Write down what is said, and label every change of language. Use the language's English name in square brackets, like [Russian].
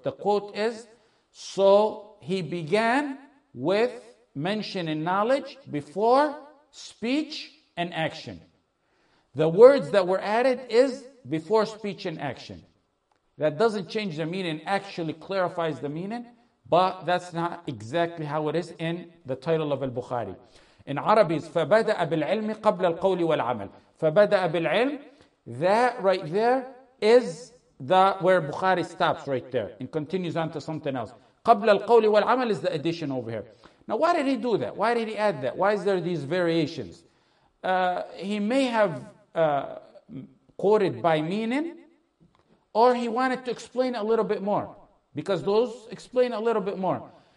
[English] The quote is, so he began with mentioning knowledge before speech and action. The words that were added is before speech and action. That doesn't change the meaning, actually clarifies the meaning, but that's not exactly how it is in the title of al-Bukhari. In Arabic, [Arabic] فَبَدَأَ بِالْعِلْمِ قَبْلَ الْقَوْلِ وَالْعَمَلِ. فَبَدَأَ بِالْعِلْمِ, [English] that right there is the where Bukhari stops right there and continues on to something else. [Arabic] قَبْلَ الْقَوْلِ وَالْعَمَلِ [English] is the addition over here. Now, why did he do that? Why did he add that? Why is there these variations? He may have quoted by meaning, or he wanted to explain a little bit more, because those explain a little bit more.